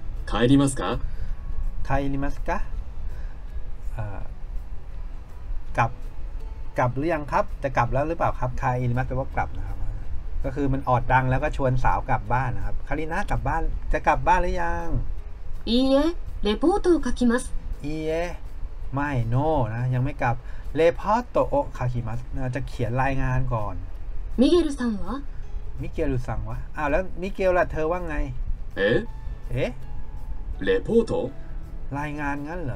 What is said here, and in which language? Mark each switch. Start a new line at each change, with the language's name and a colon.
Japanese: 帰りますか帰りますか
Thai: กลับหรือยังครับจะกลับแล้วหรือเปล่าครับ帰りますแปลว่ากลับนะครับก็คือมันออดดังแล้วก็ชวนสาวกลับบ้านนะครับคาริณะกลับบ้านจะกลับบ้านหรือยัง
Japanese: いいえレポートを書きますいいえ
Thai: ไม่ no นะยังไม่กลับ
Japanese: レポートを書きます。
Thai: จะเขียนรายงานก่อน。
Japanese: ミゲルさんは？ミゲルさんは？
Thai: อ้าวแล้วมิเกลล่ะเธอว่าไง？え？え？
Japanese: レポート？
Thai: รายงานงั้นเหร